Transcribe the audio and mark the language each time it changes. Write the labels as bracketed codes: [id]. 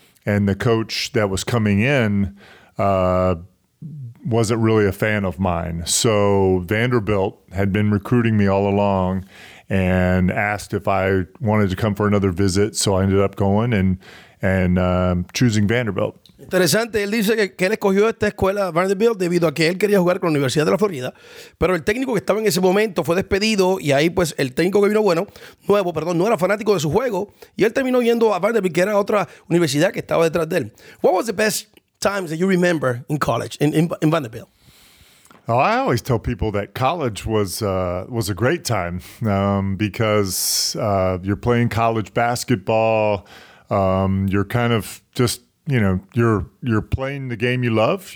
[en] And the coach that was coming in wasn't really a fan of mine. So Vanderbilt had been recruiting me all along and asked if I wanted to come for another visit. So I ended up going and choosing Vanderbilt. [es] Interesante. Él dice que él escogió esta escuela Vanderbilt debido a que él quería jugar con la Universidad de la Florida, pero el técnico que estaba en ese momento fue despedido y ahí pues el técnico que vino nuevo, no era fanático de su juego y él terminó yendo a Vanderbilt, que era otra universidad que estaba detrás de él. [en] What was the best times that you remember in college in Vanderbilt? Oh, I always tell people that college was a great time because you're playing college basketball, you're kind of just, you know, you're playing the game you love.